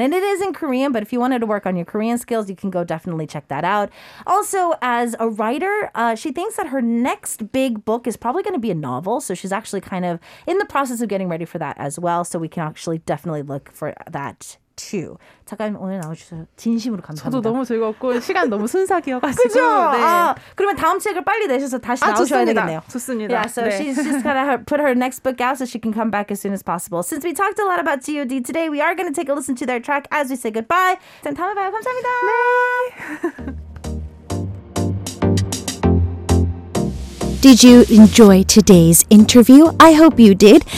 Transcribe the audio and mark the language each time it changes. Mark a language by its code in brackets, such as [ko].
[en] And it is in Korean, but if you wanted to work on your Korean skills, you can go definitely check that out. Also, as a writer, she thinks that her next big book is probably going to be a novel. So she's actually kind of in the process of getting ready for that as well. So we can actually definitely look for that too. [ko] 작가님 오늘 나와주셔서 진심으로 감사합니다. 저도 너무 즐겁고 시간 너무 순삭이어가지고 그죠? 네. 그러면 다음 책을 빨리 내셔서 다시 나오셔야 되겠네요. 좋습니다. [en] Yeah, so [ko] 네. [en] she's just gonna put her next book out so she can come back as soon as possible. Since we talked a lot about G.O.D. today, we are gonna take a listen to their track as we say goodbye. [ko] 그럼 다음에 봐요. 감사합니다. 네. [en] Did you enjoy today's interview? I hope you did.